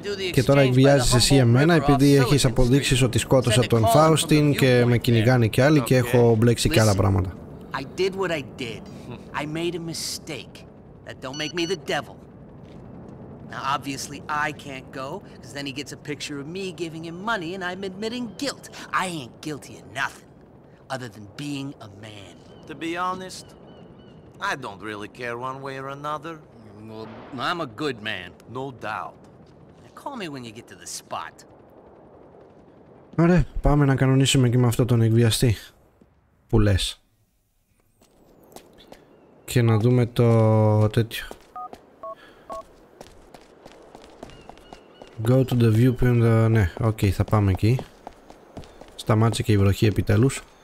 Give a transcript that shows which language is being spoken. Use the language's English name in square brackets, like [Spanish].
[Greek] Και τώρα εκβιάζεις εσύ εμένα επειδή έχεις αποδείξεις ότι σκότωσα τον Φάουστιν και με κυνηγάνε κι άλλοι και έχω μπλέξει κι άλλα πράγματα. [English] I did what I did. I made a mistake. That don't make me the devil. Now obviously I can't go, because then he gets a picture of me giving him money and I'm admitting guilt. I ain't guilty of nothing, other than being a man. To be honest, I don't really care one way or another. Well, I'm a good man, no doubt. Call me when you get to the spot. [Greek] Ωραία, πάμε να κανονίσουμε και με αυτό τον εκβιαστή που λες. Και να δούμε το τέτοιο. [English] Go to the viewpoint. [Greek] Ναι, ok, θα πάμε εκεί. Σταμάτησε και η βροχή επιτέλους.